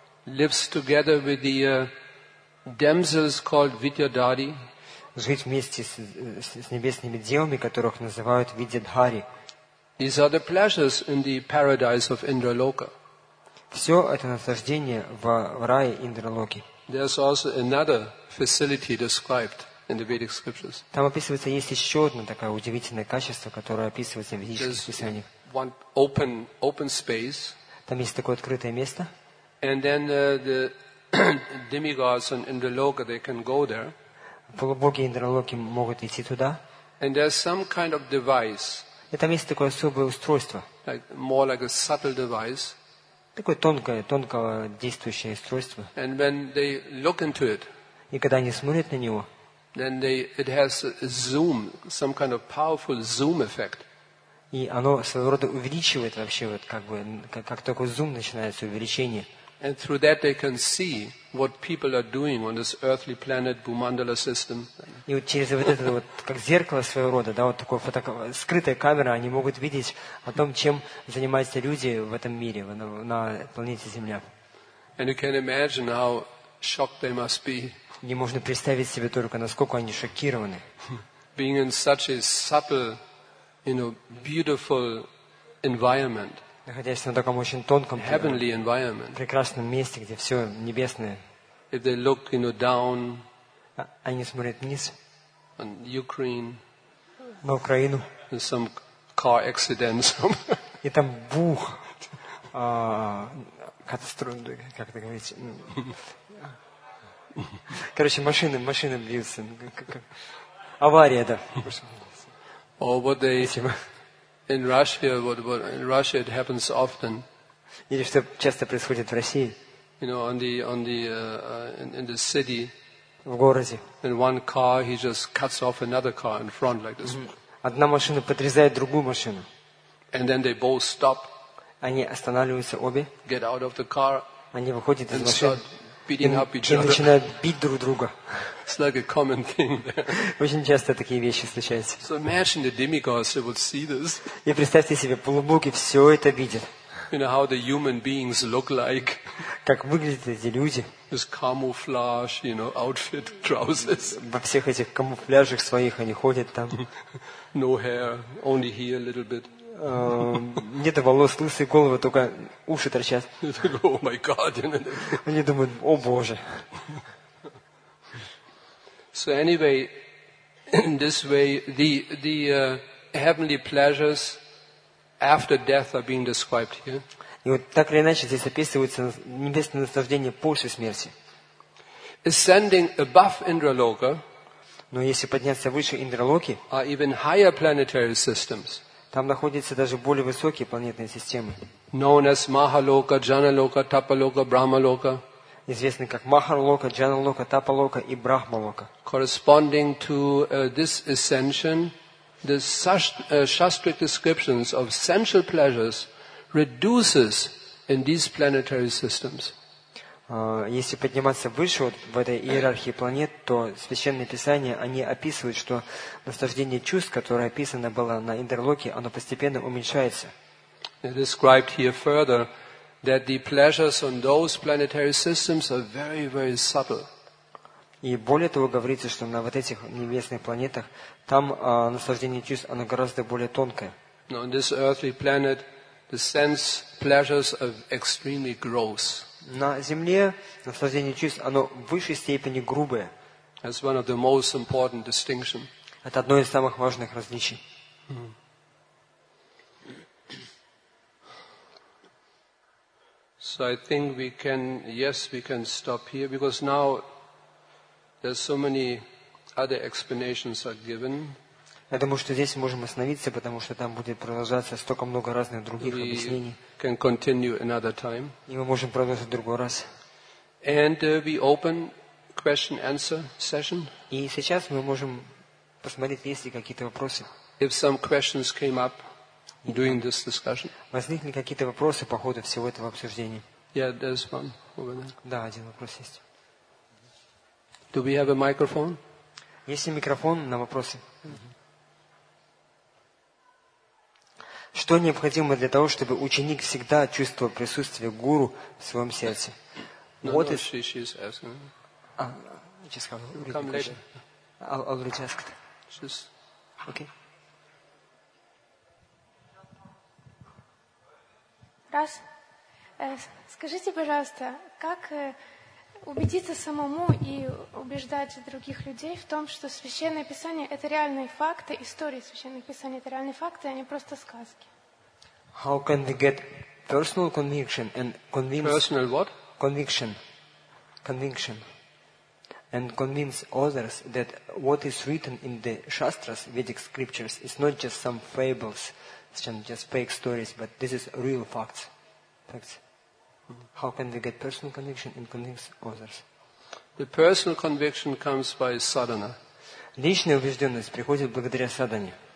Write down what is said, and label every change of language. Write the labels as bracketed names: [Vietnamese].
[English] Lives together with the damsels called Vidyadhari. [Russian] Жить вместе с небесными девами, которых называют Vidyadhari. [English] These are the pleasures in the paradise of Indraloka. [Russian] Все это наслаждение в рае Индралоки. [English] There's also another facility described in the Vedic scriptures. [Russian] Там описывается есть еще одно такое удивительное качество, которое описывается в ведических писаниях. [English] One open space. [Russian] Там есть такое открытое место. [English] And then the demigods and Indraloka, they can go there. [Russian] Полубоги Индралоки могут идти туда. [English] And there's some kind of device. [Russian] И там есть такое особое устройство. [English] Like, more like a subtle device. [Russian] Такое тонко действующее устройство. [English] And when they look into it, [Russian] и когда они смотрят на него, [English] then it has a zoom, some kind of powerful zoom effect. [Russian] И оно своего рода увеличивает вообще вот как бы как такой зум начинается увеличение. [English] And through that they can see what people are doing on this earthly planet Bhumandala system. [Russian] И вот через вот это вот как зеркало своего рода, да, вот такой скрытая камера, они могут видеть о том, чем занимаются люди в этом мире на планете Земля. [English] And you can imagine how shocked they must be. [Russian] Не можно представить себе только, насколько они шокированы. [English] Being in such a subtle, you know, beautiful environment. [Russian] Находясь на таком очень тонком, [English] heavenly environment. [Russian] Прекрасном месте, где все небесное. [English] If they look, you know, down. [Russian] Они смотрят вниз. [English] On Ukraine. [Russian] На Украину. [English] And some car accidents. [Russian] И там бух. Катастрофа, как это говорить? Короче, машины бьются. Авария, да. [English] Or what they in Russia, what in Russia it happens often. [Russian] Или что часто происходит в России. [English] You know, in the city. [Russian] В городе. [English] In one car he just cuts off another car in front like this. [Russian] Одна машина подрезает другую машину. [English] And then they both stop. [Russian] Они останавливаются обе. [English] Get out of the car. [Russian] Они выходят из машины. [English] Beating up each other. [Russian] И начинают бить друг друга. [English] It's like a common thing. [Russian] Очень часто такие вещи случаются. [English] So imagine the demigods would see this. [Russian] И представьте себе, полубоги все это видят. [English] You know how the human beings look like. [Russian] Как выглядят эти люди. [English] This camouflage, you know, outfit, trousers. [Russian] Во всех этих камуфляжах своих они ходят там. [English] No hair, only here a little bit. [Russian] Нет волос, лысые головы, только уши торчат. [English] Oh my God. [Russian] Они думают, о боже. [English] So anyway, in this way, the heavenly pleasures after death are being described here. [Russian] И вот так или иначе здесь описывается небесное наслаждение после смерти. [English] Ascending above Indraloka, [Russian] но если подняться выше Индралоки, [English] are even higher planetary systems. [Russian] Там находятся даже более высокие планетные системы. [English] Known as Mahaloka, Janaloka, Tapaloka, Brahmaloka. [Russian] Известны как Mahaloka, Janaloka, Tapaloka и Brahmaloka. [English] Corresponding to this ascension, the Shastric descriptions of sensual pleasures reduces in these planetary systems. [Russian] Если подниматься выше вот в этой иерархии планет, то священные писания они описывают, что наслаждение чувств, которое описано было на Индралоке, оно постепенно уменьшается. [English] It is described here further that the pleasures on those planetary systems are very, very subtle. [Russian] И более того, говорится, что на вот этих небесных планетах там наслаждение чувств оно гораздо более тонкое. Но [English] on this earthly planet the sense pleasures are extremely gross. [Russian] На Земле наслаждение чувств, оно в высшей степени грубое. [English] That's one of the most important distinction. [Russian] Это одно из самых важных различий. [English] So I think we can stop here, because now there's so many other explanations are given. [Russian] Я думаю, что здесь можем остановиться, потому что там будет продолжаться столько много разных других [English] we [Russian] объяснений. [English] Can continue another time. [Russian] И мы можем продолжить в другой раз. [English] And we open question-answer session. [Russian] И сейчас мы можем посмотреть, есть ли какие-то вопросы. [English] If some questions came up during this discussion. [Russian] Возникли какие-то вопросы по ходу всего этого обсуждения? [English] Yeah, there's one over there. [Russian] Да, один вопрос есть. [English] Do we have a microphone? [Russian] Есть ли микрофон на вопросы? Что необходимо для того, чтобы ученик всегда чувствовал присутствие гуру в своем сердце? Вот и... [English] She's asking. Just come later. I'll already ask. Okay. [Russian] Раз. Скажите, пожалуйста, как убедиться самому и убеждать других людей в том, что Священное Писание – это реальные факты, истории Священных Писаний – это реальные факты, а не просто сказки? [English] How can we get personal conviction and convince personal what? Conviction and convince others that what is written in the Shastras, Vedic scriptures, is not just some fables, just fake stories, but this is real facts. Facts. How can we get personal conviction and convince others? The personal conviction comes by sadhana. [Russian] Личная убежденность приходит благодаря садхане.